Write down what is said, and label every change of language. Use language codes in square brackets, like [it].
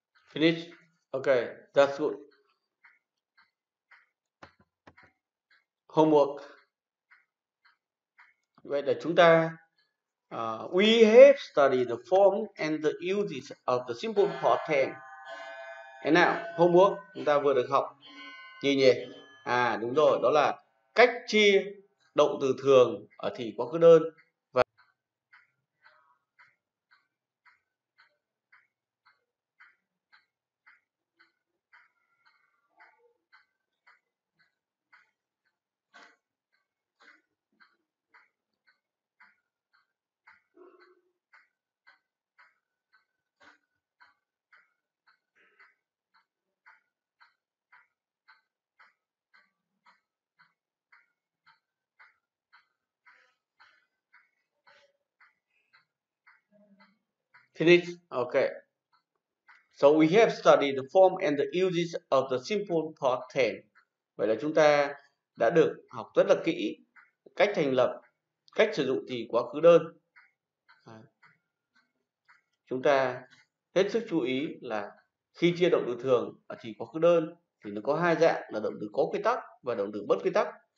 [en] Finish. Okay, that's good. [vi] Homework. Vậy là chúng ta [en] We have studied the form and the uses of the simple part tense. [vi] Thế nào? Homework chúng ta vừa được học. Nhìn nhỉ? À đúng rồi, đó là cách chia động từ thường ở thì quá khứ đơn. [en] Finish. Okay. So we have studied the form and the uses of the simple part tense. [vi] Vậy là chúng ta đã được học rất là kỹ cách thành lập, cách sử dụng thì quá khứ đơn. Chúng ta hết sức chú ý là khi chia động từ thường ở thì quá khứ đơn thì nó có hai dạng là động từ có quy tắc và động từ bất quy tắc.